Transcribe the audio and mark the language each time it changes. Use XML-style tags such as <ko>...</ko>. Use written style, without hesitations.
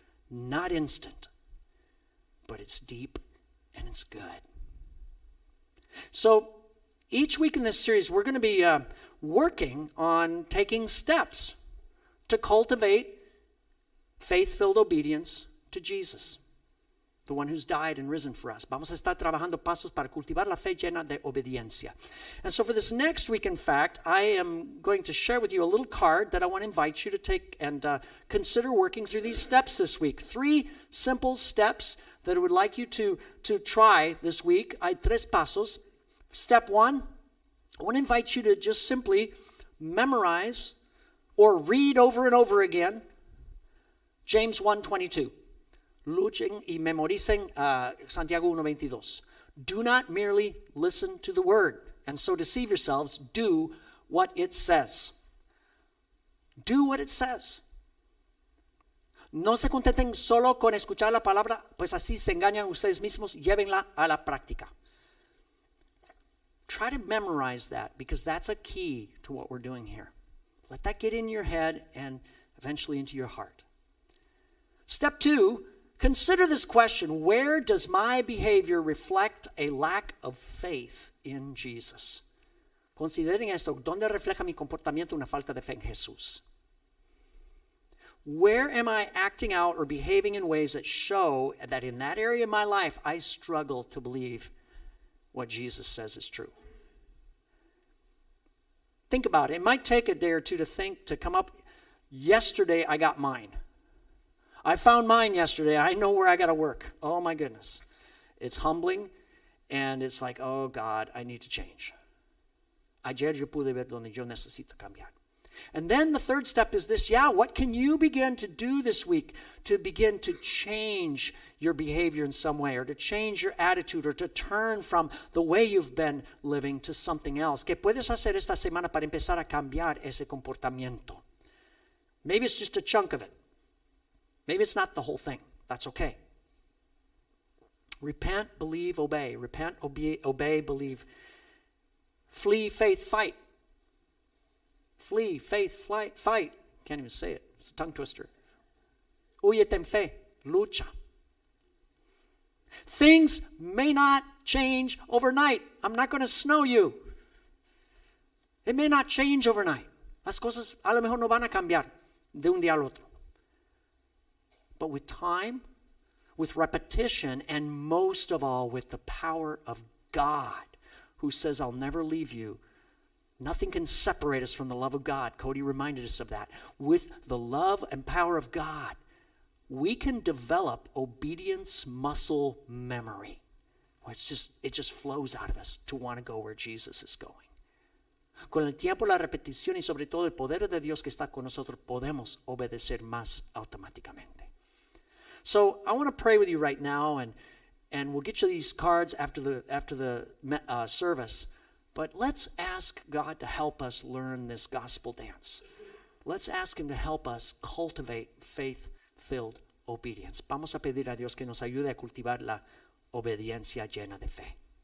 <en>Not instant, but it's deep and it's good. So each week in this series, we're going to be working on taking steps to cultivate faith-filled obedience to Jesus, the one who's died and risen for us.</en> <es>Vamos a estar trabajando pasos para cultivar la fe llena de obediencia.</es> <en>And so for this next week, in fact, I am going to share with you a little card that I want to invite you to take and consider working through these steps this week. Three simple steps that I would like you to try this week.</en> <es>Hay tres pasos.</es> <en>Step one, I want to invite you to just simply memorize or read over and over again James 1:22.</en> <es>Luchen y memoricen Santiago 1:22.</es> <en>Do not merely listen to the word and so deceive yourselves. Do what it says. Do what it says.</en> <es>No se contenten solo con escuchar la palabra, pues así se engañan ustedes mismos. Llévenla a la práctica.</es> <en>Try to memorize that because that's a key to what we're doing here. Let that get in your head and eventually into your heart. Step two, consider this question. Where does my behavior reflect a lack of faith in Jesus?</en> <es>Consideren esto. ¿Dónde refleja mi comportamiento una falta de fe en Jesús?</es> <en>Where am I acting out or behaving in ways that show that in that area of my life, I struggle to believe what Jesus says is true? Think about it. It might take a day or two to think, to come up. Yesterday, I got mine. I found mine yesterday. I know where I got to work. Oh, my goodness. It's humbling, and it's like, oh, God, I need to change.</en> <es>Ayer yo pude ver donde yo necesito cambiar.</es> <en>And then the third step is this. Yeah, what can you begin to do this week to begin to change your behavior in some way, or to change your attitude, or to turn from the way you've been living to something else?</en> <es>¿Qué puedes hacer esta semana para empezar a cambiar ese comportamiento?</es> <en>Maybe it's just a chunk of it. Maybe it's not the whole thing. That's okay. Repent, believe, obey. Repent, obey, believe. Flee, faith, fight. Flee, faith, flight, fight. Can't even say it. It's a tongue twister.</en> <es>Huye ten fe, lucha.</es> <en>Things may not change overnight. I'm not going to snow you. It may not change overnight.</en> <es>Las cosas a lo mejor no van a cambiar de un día al otro.</es> <en>But with time, with repetition, and most of all, with the power of God, who says, I'll never leave you, nothing can separate us from the love of God. Cody reminded us of that. With the love and power of God, we can develop obedience muscle memory. It just flows out of us to want to go where Jesus is going.</en> <es>Con el tiempo, la repetición y sobre todo el poder de Dios que está con nosotros, podemos obedecer más automáticamente.</es> <en>So I want to pray with you right now, and we'll get you these cards after the service. But let's ask God to help us learn this gospel dance. Let's ask him to help us cultivate faith-filled obedience.</en> <es>Vamos a pedir a Dios que nos ayude a cultivar la obediencia llena de fe.</es>